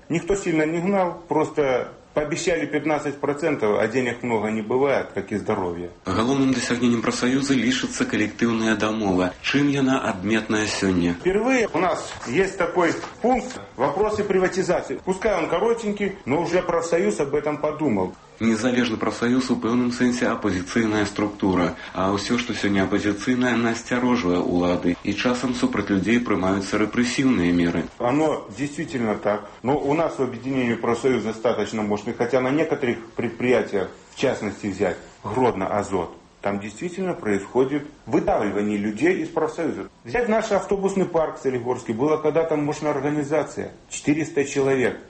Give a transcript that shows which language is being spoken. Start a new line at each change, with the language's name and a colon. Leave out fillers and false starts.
Russian: Никто сильно не гнал, просто пообещали 15%, а денег много не бывает, как и здоровья.
Belarusian: Галоўным дасягненнем
Russian: профсоюза лишится
Belarusian: коллективная домова. Чым яна адметная сёння?
Russian: Впервые у нас есть такой пункт «Вопросы приватизации». Пускай он коротенький, но уже профсоюз об этом подумал.
Belarusian: Незалежны прафсаюз у пэўным сэнсе апазіцыйная структура, а ўсё, што сёння апазіцыйнае, насцярожвае ўлады, і часам супраць людзей прымаюцца рэпрэсіўныя меры.
Russian: Оно действительно так. Но у нас в объединении профсоюз достаточно мощный, хотя на некоторых предприятиях, в частности взять Гродно Азот, там действительно происходит выдавливание людей из профсоюза. Взять наш автобусный парк Солигорский, была когда-то мощная организация, 400 человек.